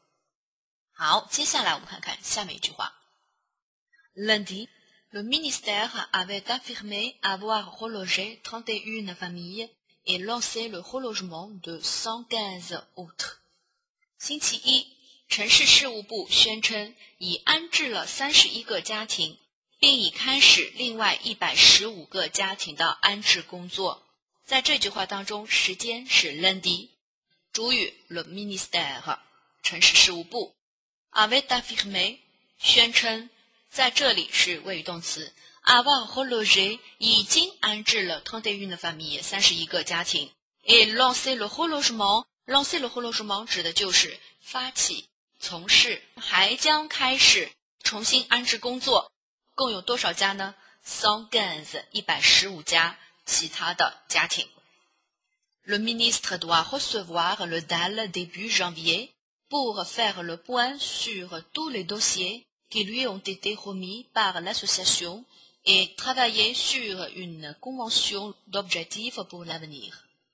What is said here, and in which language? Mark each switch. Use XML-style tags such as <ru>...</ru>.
<zh>好,所以这一部分的句子,请各位同学一定要注意他们之间的关系。主要要找的内容是人物、时间、地点和事件。另外,如果从语法上我们要找的是主谓宾这样最主要的信息内容。好,接下来我们看看下面一句话。</zh> <fr>Lundi, le ministère avait affirmé avoir relogé 31 familles. Et lancer le relogement de 115 autres.</fr> <zh>星期一, 城市事务部宣称已安置了31个家庭, 并已开始另外115个家庭的安置工作. 在这句话当中, 时间是 lundi, 主语 le ministère, 城市事务部,</zh> <fr>avait affirmé,</fr> <zh>宣称, 在这里是谓语动词,</zh> <fr>Avoir relogé</fr> <zh>已经安置了31个家庭</zh> <fr>et lancer le relogement</fr> <zh>指的就是发起从事还将开始重新安置工作 共有多少家呢? 115家 其他的家庭</zh> <fr>Le ministre doit recevoir le DAL début janvier pour faire le point sur tous les dossiers qui lui ont été remis par l'association et travailler sur une convention d'objectif pour l'avenir.</fr>